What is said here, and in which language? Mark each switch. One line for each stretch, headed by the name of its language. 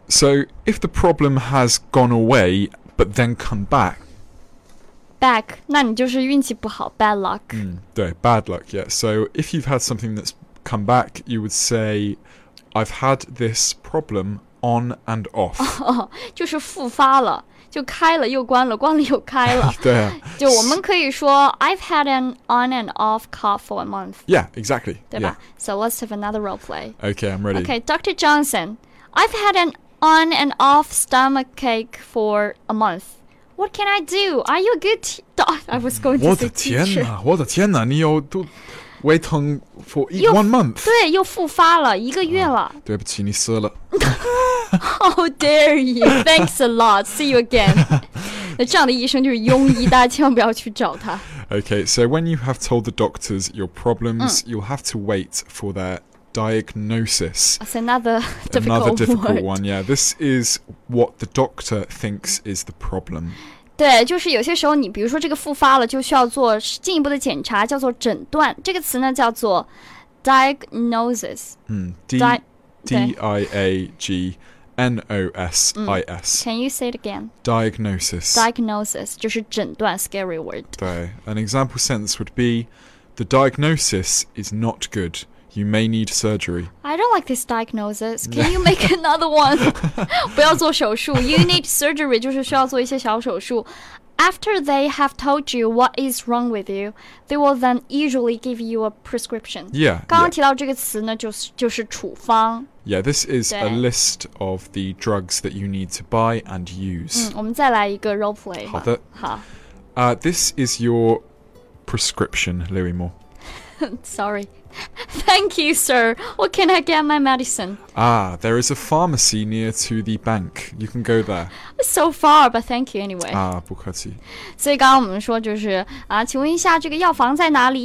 English: So, if the problem has gone away, but then come back,
Chinese: Back, 那你就是运气不好
English: bad luck.、嗯、对 bad luck, yeah. So if you've had something that's come back, you would say, I've had this problem on and off.、
Chinese: 就是复发了，就开了又关了，关了又开了。对、啊。就我们可以说
English: I've had an on and off cough for a month. Yeah, exactly.
Chinese: 对吧、
English: yeah. So let's have another role play. Okay, I'm ready. Okay, Dr. Johnson, I've had an on and off stomachache for a month. What can I do? Are you a good doctor? I was going to say teacher.
Chinese: 我的天哪，我的天哪，你有都胃疼
English: for one month.
Chinese: 对，又复发了，一个月了。对不起，你死了。
English: How dare you? Thanks a lot. See you again.
Chinese: 那这样的医生就是庸医，大家千万不要去找他。
English: Okay, so when you have told the doctors your problems, you'll have to wait for that. Diagnosis. That's another difficult word. Another difficult one, yeah. This is what the doctor thinks is the problem.
Chinese: 对，就是有些时候你比如说这个复发了就需要做进一步的检查叫做诊断。这个词呢叫做
English: diagnosis. D-I-A-G-N-O-S-I-S. Can you say it again? Diagnosis. Diagnosis,
Chinese: 就是诊断,
English: scary word. 对, an example sentence would be, the diagnosis is not good. You may need surgery. I don't like this diagnosis. Can you make another one?
Chinese: 不要做手术.
English: You need surgery,
Chinese: 就是需要做一些小手术。
English: After they have told you what is wrong with you, they will then usually give you a prescription. Yeah.
Chinese: 刚刚提到这个词呢，就是处方。
English: Yeah, this is a list of the drugs that you need to buy and use.
Chinese: 嗯，我们再来一个 role play. 好的。好。
English: This is your prescription, Louis Moore. Sorry. Thank you, sir. What can I get my medicine? Ah, there is a pharmacy near to the bank. You can go there. So far, but thank you anyway.
Chinese: Ah, 不客气。所以刚刚我们说就是啊，请问一下这个药房在哪里？